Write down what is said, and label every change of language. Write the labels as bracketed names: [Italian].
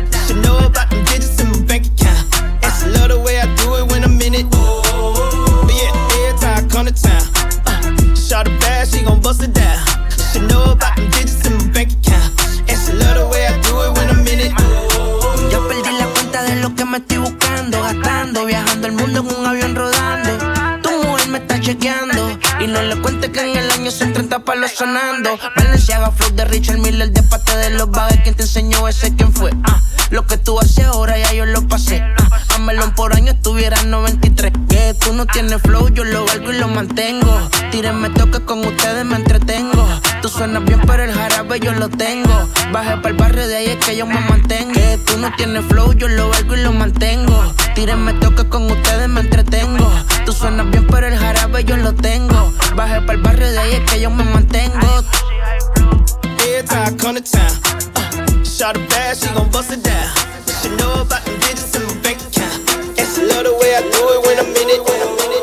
[English] She know about them digits in my bank account. And she love the way I do it when I'm in it. But yeah, every time I come to town. Shot a bag, she gon' bust it down. She know about them digits in my bank account. And she love the way I do it when I'm in it. [Spanish] Yo perdí la cuenta de lo que me estoy buscando. Gastando, viajando el mundo en un avión rodando. Tu mujer me está chequeando. Y no le cuentes que en el año son 30 palos sonando. Valenciaga, flow de Richard Miller, de parte de los bagues. ¿Quién te enseñó ese? ¿Quién fue? Lo que tú haces ahora ya yo lo pasé. A Melón por año estuviera 93. Que tú no tienes flow, yo lo valgo y lo mantengo. Tírenme toque con ustedes, me entretengo. Tú suenas bien, pero el jarabe yo lo tengo. Baje pa'l barrio, de ahí es que yo me mantengo. Que tú no tienes flow, yo lo valgo y lo mantengo. Tírenme toque con ustedes, me entretengo. Tú suenas bien, pero el jarabe yo lo tengo. Baje pa'l barrio, de ahí es que yo me mantengo. [English] Every time I come to town, shot a bag, she gon' bust it down. She know about them digits in my bank account. And she love the way I do it when I'm in it.